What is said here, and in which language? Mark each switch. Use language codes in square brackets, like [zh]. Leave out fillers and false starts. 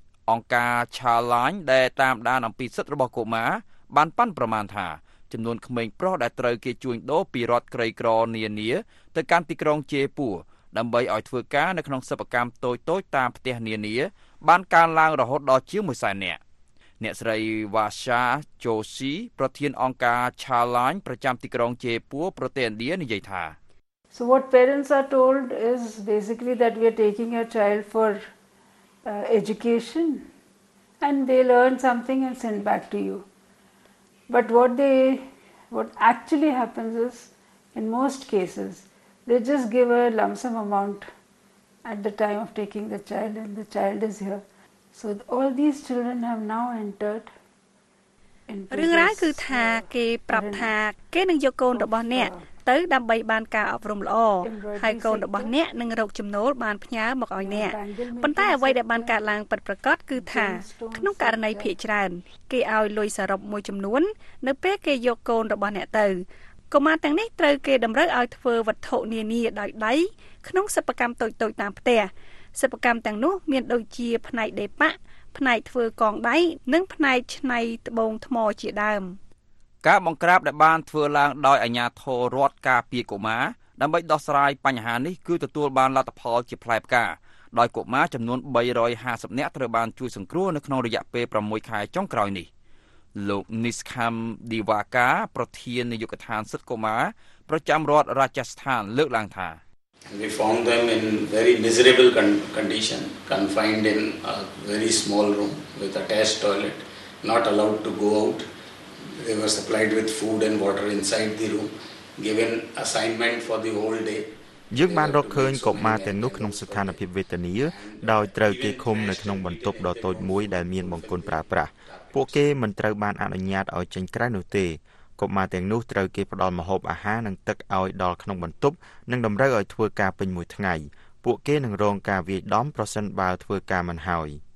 [km] អង្គការ Childline ដែលតាមដានអំពីសិទ្ធិរបស់កុមារបានប៉ាន់ប្រមាណថាចំនួនក្មេងប្រុសដែលត្រូវគេជួញដូរពីរដ្ឋក្រីក្រនានាទៅកាន់ទីក្រុងជេពួរដើម្បីឲ្យធ្វើការនៅក្នុងសិប្បកម្មតូចៗតាមផ្ទះនានាបានកើនឡើងរហូតដល់ជាង100,000នាក់អ្នកស្រីវ៉ាសាជូស៊ីប្រធានអង្គការ Childline ប្រចាំទីក្រុងជេពួរប្រទេសឥណ្ឌានិយាយថា [en] So what parents are told is basically that we are taking a child for education and they learn something and send back to you but what actually happens is in most cases they just give a lump sum amount at the time of taking the child and the child is here so all these children have now entered [km] រឿងរ៉ាវគឺថាគេប្រាប់ថាគេនឹងយកកូនរបស់អ្នកទៅដើម្បីបានការអប់រំល្អហើយកូនរបស់អ្នកនឹងរកចំណូលបានផ្ញើមកឲ្យអ្នកប៉ុន្តែអ្វីដែលបានកើតឡើងពិតប្រាកដគឺថាក្នុងករណីភាគច្រើនគេឲ្យលុយសរុបមួយចំនួននៅពេលគេយកកូនរបស់អ្នកទៅ កុមារទាំងនេះត្រូវគេតម្រូវឲ្យធ្វើវត្ថុនានាដោយដៃក្នុងសិប្បកម្មតូចៗតាមផ្ទះសិប្បកម្មទាំងនោះមានដូចជាផ្នែកដេប៉ាក់ផ្នែកធ្វើកងដៃនិងផ្នែកច្នៃត្បូងថ្មជាដើម ការបង្ក្រាបដែលបានធ្វើឡើងដោយអាជ្ញាធររដ្ឋការពារកុមារដើម្បីដោះស្រាយបញ្ហានេះគឺទទួលបានលទ្ធផលជាផ្លែផ្កាដោយកុមារចំនួន350នាក់ត្រូវបានជួយសង្គ្រោះនៅក្នុងរយៈពេល6ខែចុងក្រោយនេះលោកនីសខាំឌីវ៉ាកាប្រធាននាយកដ្ឋានសិទ្ធិកុមារប្រចាំរដ្ឋរាជស្ថានលើកឡើងថា [en] We found them in very miserable condition confined in a very small room with attached toilet not allowed to go out they were supplied with food and water inside the room given assignment for the whole day [km] យើងបានរកឃើញកុមារទាំងនោះក្នុងស្ថានភាពវេទនាដោយត្រូវគេឃុំនៅក្នុងបន្ទប់ដ៏តូចមួយដែលមានបង្គន់ប្រើប្រាស់ពួកគេមិនត្រូវបានអនុញ្ញាតឲ្យចេញក្រៅនោះទេកុមារទាំងនោះត្រូវគេផ្ដល់ម្ហូបអាហារនិងទឹកឲ្យដល់ក្នុងបន្ទប់និងតម្រូវឲ្យធ្វើការពេញមួយថ្ងៃពួកគេនឹងរងការវាយដំប្រសិនបើធ្វើការមិនហើយ